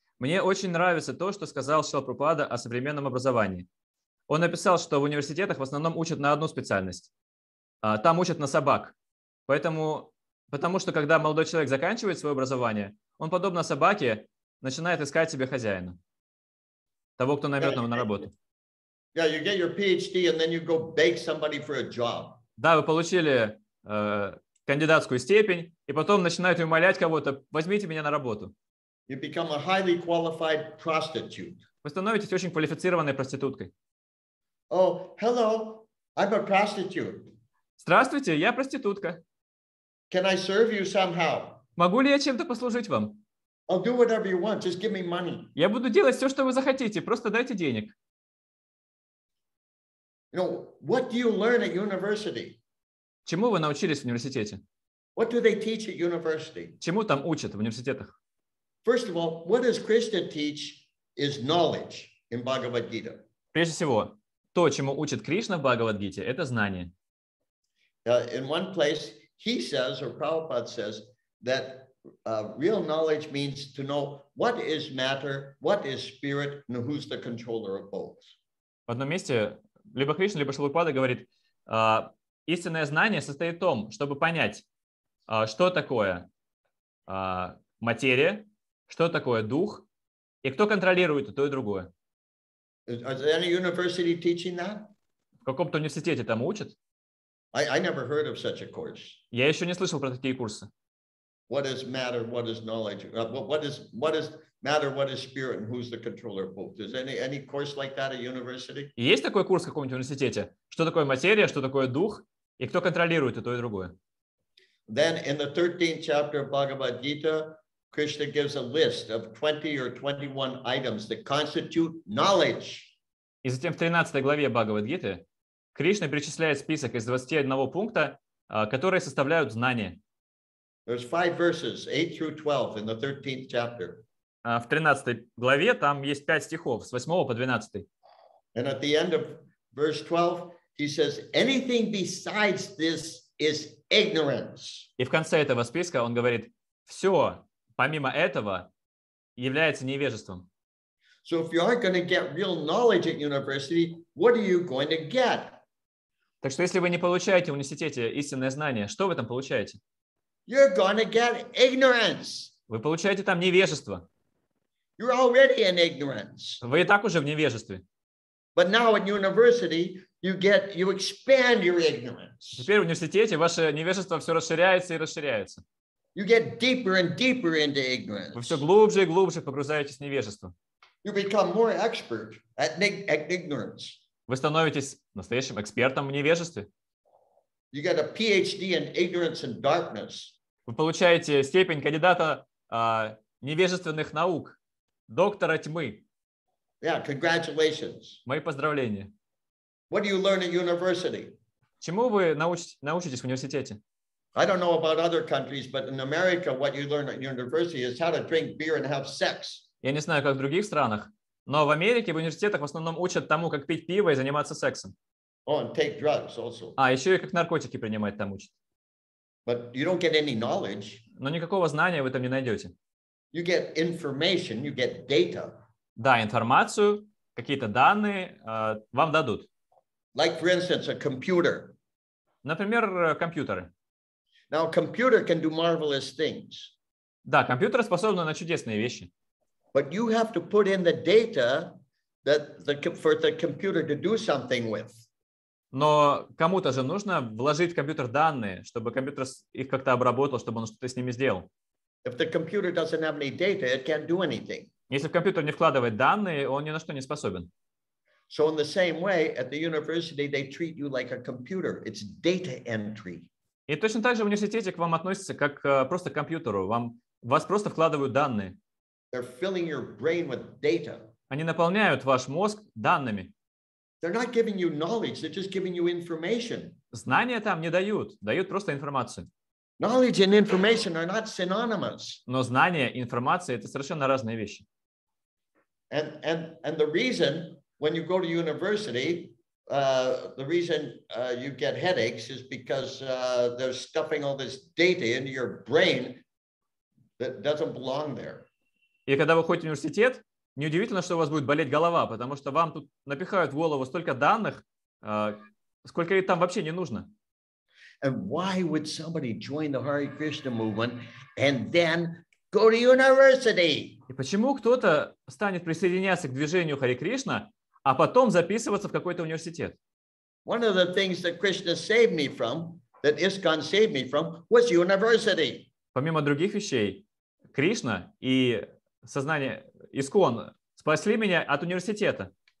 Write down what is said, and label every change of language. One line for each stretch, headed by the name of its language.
Russian: Мне очень нравится то, что сказал Шрила Прабхупада о современном образовании. Он написал, что в университетах в основном учат на одну специальность. Там учат на собак. Потому что, когда молодой человек заканчивает свое образование, он, подобно собаке, начинает искать себе хозяина. Того, кто наймет его на работу.
English: Yeah, you get your PhD and then you go beg somebody for a job.
Russian: Да, вы получили кандидатскую степень, и потом начинаете умолять кого-то, возьмите меня на работу.
English: You become a highly qualified prostitute.
Russian: Вы становитесь очень квалифицированной проституткой.
English: Oh, hello, I'm a prostitute.
Russian: Здравствуйте, я проститутка.
English: Can I serve you somehow?
Russian: Могу ли я чем-то послужить вам?
English: I'll do whatever you want, just give me money.
Russian: Я буду делать все, что вы захотите, просто дайте денег.
English: You know, what do you learn at university?
Russian: Чему вы научились в университете?
English: What do they teach at university?
Russian: Чему там учат в университетах?
English: First of all, what does Krishna teach is knowledge in Bhagavad Gita.
Russian: Прежде всего, то, чему учит Кришна в Бхагавад-гите, это знание.
English: In one place he says, or Prabhupada says, that real knowledge means to know what is matter, what is spirit, and who's the controller of both.
Russian: В одном месте либо Кришна, либо Шилупада говорит, истинное знание состоит в том, чтобы понять, что такое материя, что такое дух, и кто контролирует то и другое.
English: Is there any university teaching that?
Russian: В каком-то университете там учат?
English: I never heard of such a course.
Russian: Я еще не слышал про такие курсы.
English: What is matter, what is knowledge? What is matter, what is spirit, and who's the controller of both? Is any course like that at university?
Russian: Есть такой курс в каком-нибудь университете? Что такое материя, что такое дух, и кто контролирует и то, и другое?
English: Then in the 13th chapter of Bhagavad Gita, Krishna gives a list of 20 or 21 items that constitute knowledge.
Russian: И затем в 13 главе Бхагавад-гиты Кришна перечисляет список из 21 пункта, которые составляют знание.
English: There's 5 verses, 8 through 12 in the 13th chapter.
Russian: В 13 главе там есть 5 стихов с 8 по 12.
English: And at the end of verse 12, he says, anything besides this is ignorance.
Russian: И в конце этого списка он говорит, все, помимо этого, является невежеством.
English: So if you aren't going to get real knowledge at university, what are you going to get?
Russian: Так что если вы не получаете в университете истинное знание, что вы там получаете?
English: You're going to get ignorance.
Russian: Вы получаете там невежество.
English: You're already in ignorance.
Russian: Вы и так уже в невежестве.
English: But now at university, you expand your ignorance.
Russian: Теперь в университете ваше невежество все расширяется и расширяется.
English: You get deeper and deeper into ignorance.
Russian: Вы все глубже и глубже погружаетесь в невежество.
English: You become more expert at ignorance.
Russian: Вы становитесь настоящим экспертом в невежестве.
English: You get a PhD in ignorance and darkness.
Russian: Вы получаете степень кандидата невежественных наук, доктора тьмы.
English: Yeah, congratulations.
Russian: Мои поздравления.
English: What do you learn at university?
Russian: Чему вы научитесь в университете?
English: I don't know about other countries, but in America, what you learn at university is how to drink beer and have sex.
Russian: Я не знаю, как в других странах, но в Америке в университетах в основном учат тому, как пить пиво и заниматься сексом.
English: Oh, and take drugs also.
Russian: А, еще и как наркотики принимать там учат.
English: But you don't get any knowledge.
Russian: Но никакого знания вы там не найдете.
English: You get information, you get data.
Russian: Да, информацию, какие-то данные вам дадут.
English: Like, for instance, a computer.
Russian: Например, компьютеры.
English: Now, a computer can do marvelous things.
Russian: Да, компьютеры способны на чудесные вещи.
English: But you have to put in the data that the, for the computer to do something with.
Russian: Но кому-то же нужно вложить в компьютер данные, чтобы компьютер их как-то обработал, чтобы он что-то с ними сделал.
English: If the computer doesn't have any data, it can't do anything.
Russian: Если в компьютер не вкладывает данные, он ни на что не способен.
English: So in the same way, at the university, they treat you like a computer. It's data entry.
Russian: И точно так же в университете к вам относятся как просто к компьютеру. Вас просто вкладывают данные.
English: They're filling your brain with data.
Russian: Они наполняют ваш мозг данными.
English: They're not giving you knowledge, they're just giving you information.
Russian: Знания там не дают, дают просто информацию.
English: Knowledge and information are not synonymous.
Russian: Но знания и информация — это совершенно разные вещи.
English: And the reason when you go to university, the reason you get headaches is because they're stuffing all this data into your brain that doesn't belong there.
Russian: И когда вы ходите в университет, неудивительно, что у вас будет болеть голова, потому что вам тут напихают в голову столько данных, сколько там вообще не нужно.
English: And why would somebody join the Hare Krishna movement and then go to university?
Russian: И почему кто-то станет присоединяться к движению Hare Krishna, а потом записываться в какой-то университет?
English: One of the things that Krishna saved me from, that ISKCON saved me from, was university.
Russian: Помимо других вещей, Кришна и сознание ИСКОН спасли меня от университета.